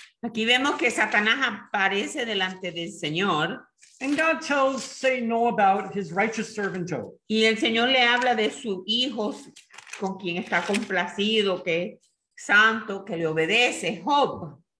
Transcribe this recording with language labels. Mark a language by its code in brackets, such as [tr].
[es] Aquí vemos que Satanás aparece delante del Señor. [en] And God tells Satan all about his righteous servant Job. [es] Y el Señor le habla de sus hijos con quien está complacido, que santo, que le obedece, Job.